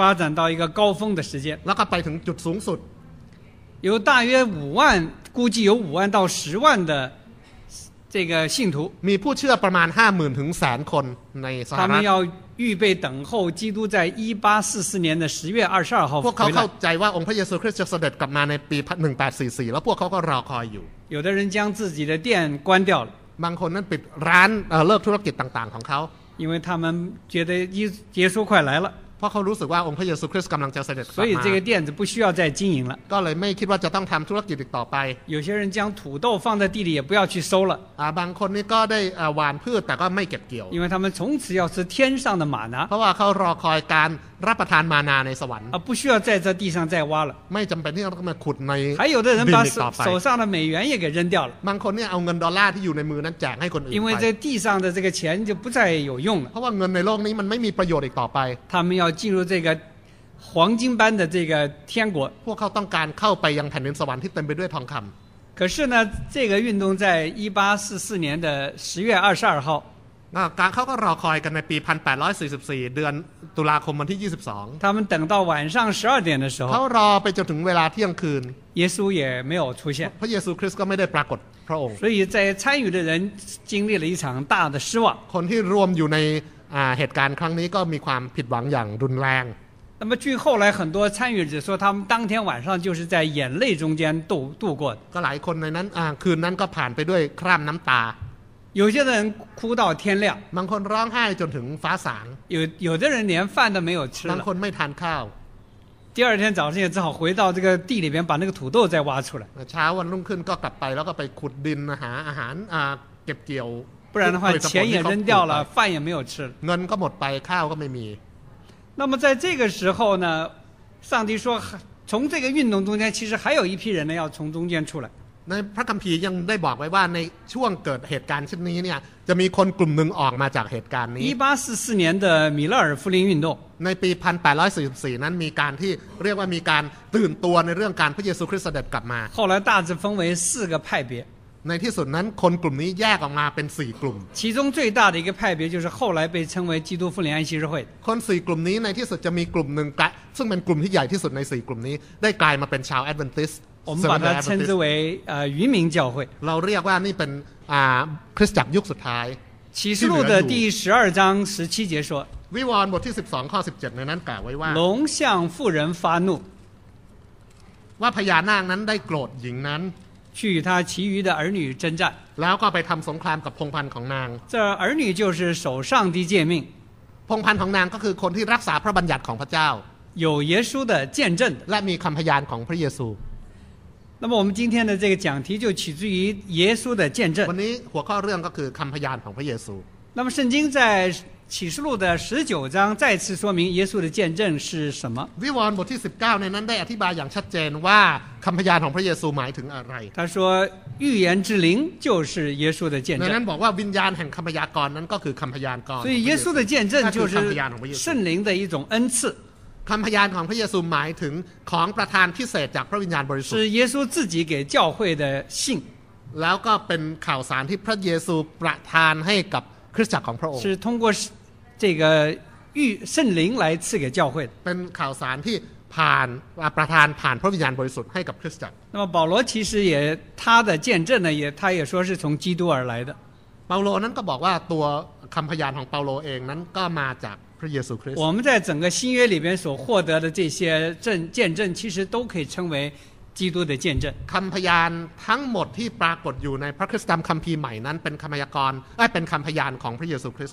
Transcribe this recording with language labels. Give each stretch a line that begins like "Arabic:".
Chinese: 发展到一个高峰的时间
Thai: แล้วก็ไปถึงจุดสูงสุด
Chinese: 有大约5万估计有5万到10万的这个信徒
Thai: มีผู้เชื่อประมาณ 50,000 ถึง 100,000 คนในสหรัฐ
Chinese: 他们要预备等候基督在1844年的10月22号回来
Thai: พวกเขาเข้าใจว่าองค์พระเยซูคริสต์จะเสด็จกลับมาในปี1844แล้วพวกเขาก็รอคอยอยู่
Chinese: 有的人将自己的店关掉了
Thai: บางคนนั้นปิดร้านเลิกธุรกิจต่างๆของเขา
Chinese: 因为他们觉得耶稣快来了
Thai: เพราะเขารู้สึกว่าองค์พระเยซูคริสต์กำลังจะเสด็จมา
Chinese: 所以这个店子不需要再经营了
Thai: ก็เลยไม่คิดว่าจะต้องทำธุรกิจอีกต่อไป
Chinese: 有些人将土豆放在地里也不要去收了
Thai: บางคนนี่ก็ได้หว่านพืชแต่ก็ไม่เก็บเกี่ยว
Chinese: 因为他们从此要吃天上的玛拿
Thai: เพราะว่าเขารอคอยการรับประทานมานาในสวรรค์
Chinese: 不需要在这地上再挖了
Thai: ไม่จำเป็นที่ต้องมาขุดใน ดินอีกต่อไป
Chinese: 还有的人把手上的美元也给扔掉了
Thai: บางคนเนี่ยเอาเงินดอลลาร์ที่อยู่ในมือนั้นแจกให้คนอื่น
Chinese: 因为这地上的这个钱就不再有用了
Thai: เพราะว่าเงินในโลกนี้มันไม่มีประโยชน์อีกต่อไป
Chinese: 他们要进入这个黄金般的这个天国
Thai: พวกเขาต้องการเข้าไปยังแผ่นดินสวรรค์ที่เต็มไปด้วยทองคำ
Chinese: 可是呢这个运动在1844年的10月22号
Thai: การเขาก็รอคอยกันในปี1844เดือนตุลาคมวันที่22
Chinese: 他们等到晚上十二点的时候
Thai: เขารอไปจนถึงเวลาเที่ยงคืน
Chinese: 耶稣也没有出现
Thai: พระเยซูคริสต์ก็ไม่ได้ปรากฏพระองค์
Chinese: 所以在参与的人经历了一场大的失望
Thai: คนที่รวมอยู่ในเหตุการณ์ครั้งนี้ก็มีความผิดหวังอย่างรุนแรง
Chinese: 那么据后来很多参与者说他们当天晚上就是在眼泪中间度过
Thai: ก็หลายคนในนั้นคืนนั้นก็ผ่านไปด้วยคราบน้ำตา
Chinese: 有些人哭到天亮
Thai: บางคนร้องไห้จนถึงฟ้าสาง
Chinese: 有的人连饭都没有吃
Thai: บางคนไม่ทานข้าว
Chinese: 第二天早上也只好回到这个地里边把那个土豆再挖出来
Thai: เช้าวันรุ่งขึ้นก็กลับไปแล้วก็ไปขุดดินหาอาหารเก็บเกี่ยว
Chinese: 不然的话钱也扔掉了饭也没有吃
Thai: เงินก็หมดไปข้าวก็ไม่มี
Chinese: 那么在这个时候呢上帝说从这个运动中间其实还有一批人呢要从中间出来
Thai: ในพระคัมภีร์ยังได้บอกไว้ว่าในช่วงเกิดเหตุการณ์เช่นนี้เนี่ยจะมีคนกลุ่มหนึ่งออกมาจากเหตุการณ์นี้
Chinese: 1844年的米勒尔复临运动
Thai: ในปี1844นั้นมีการที่เรียกว่ามีการตื่นตัวในเรื่องการพระเยซูคริสต์เสด็จกลับมา
Chinese: 后来大致分为四个派别
Thai: ในที่สุดนั้นคนกลุ่มนี้แยกออกมาเป็น4กลุ่ม
Chinese: 其中最大的一个派别就是后来被称为基督复临安息日会
Thai: คน4กลุ่มนี้ในที่สุดจะมีกลุ่มนึงซึ่งเป็นกลุ่มที่ใหญ่ที่สุดใน4กลุ่มนี้ได้กลายมาเป็นชาวแอดเวนทิสต์
Chinese: 我们把它称之为渔民教会
Thai: เราเรียกว่านี่เป็นคริสตจักรยุคสุดท้าย
Chinese: 启示录的第十二章十七节说
Thai: วิวรณ์บทที่12ข้อ17ในนั้นกล่าวไว้ว่า
Chinese: 龙向妇人发怒
Thai: ว่าพญานาคนั้นได้โกรธหญิงนั้น
Chinese: 去与他其余的儿女征战
Thai: แล้วก็ไปทำสงครามกับพงพันธุ์ของนาง
Chinese: 这儿女就是守上帝诫命
Thai: พงพันธุ์ของนางก็คือคนที่รักษาพระบัญญัติของพระเจ้า
Chinese: 有耶稣的见证
Thai: และมีคำพยานของพระเยซู
Chinese: 那么我们今天的这个讲题就取自于耶稣的见证
Thai: วันนี้หัวข้อเรื่องก็คือคำพยานของพระเยซู
Chinese: 那么圣经在启示录的十九章再次说明耶稣的见证是什么
Thai: วิวรณ์บทที่19ในนั้นได้อธิบายอย่างชัดเจนว่าคำพยานของพระเยซูหมายถึงอะไร
Chinese: 他说预言之灵就是耶稣的见证
Thai: ในนั้นบอกว่าวิญญาณแห่งคำพยากรณ์นั้นก็คือคำพยากรณ์
Chinese: 所以耶稣的见证就是圣灵的一种恩赐
Thai: คำพยานของพระเยซูหมายถึงของประทานพิเศษจากพระวิญญาณบริสุทธิ์
Chinese: 是耶稣自己给教会的信
Thai: แล้วก็เป็นข่าวสารที่พระเยซูประทานให้กับคริสตจักรของพระองค์
Chinese: 是通过这个御圣灵来赐给教会
Thai: เป็นข่าวสารที่ผ่านประทานผ่านพระวิญญาณบริสุทธิ์ให้กับคริสตจักร
Chinese: 那么保罗其实也他的见证呢也他也说是从基督而来的
Thai: เปาโลนั้นก็บอกว่าตัวคำพยานของเปาโลเองนั้นก็มาจากพระเยซูคริสต์
Chinese: 我们在整个新约里边所获得的这些证见证其实都可以称为基督的见证
Thai: คำพยานทั้งหมดที่ปรากฏอยู่ในพระคริสตจักรคัมภีร์ใหม่นั้นเป็นคำพยากรณ์เป็นคำพยานของพระเยซูคริสต